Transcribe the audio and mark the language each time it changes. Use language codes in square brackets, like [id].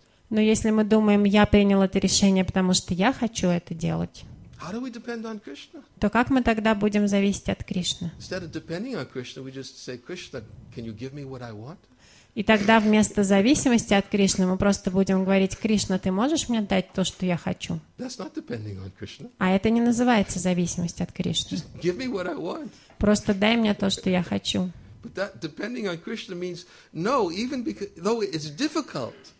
[ru] Но если мы думаем, я принял это решение, потому что я хочу это делать, [en] how do we depend on Krishna? [ru] То как мы тогда будем зависеть от Кришны? [en] Instead of depending on Krishna, we just say, Krishna, can you give me what I want? [ru] И тогда вместо зависимости от Кришны мы просто будем говорить, Кришна, ты можешь мне дать то, что я хочу? [en] That's not depending on Krishna. [ru] А это не называется зависимость от Кришны. [en] Just give me what I want. [ru] Просто дай мне то, что я хочу. [en] But that depending on Krishna means no, even though it's difficult.